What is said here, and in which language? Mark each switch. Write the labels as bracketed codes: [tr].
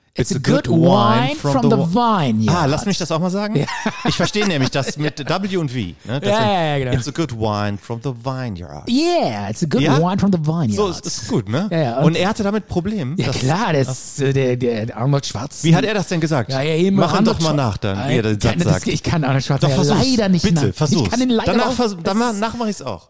[en] It's a good wine from the vineyards. [de] Ah, lass mich das auch mal sagen. Ja. Ich verstehe nämlich das mit W und V. Ne? Genau. [en] It's a good wine from the vineyards. Yeah, it's a good wine from the vineyards. [de] So, ist gut, ne? Ja, und er hatte damit Probleme. Ja, klar, der Arnold Schwarz. Wie hat er das denn gesagt? Ja, ja, immer mach ihn doch mal nach, dann, wie er den Satz sagt. Ich kann Arnold Schwarz doch, leider nicht bitte, nach. Versuch's. Ich kann ihn leider nicht nach. Danach mache ich es auch.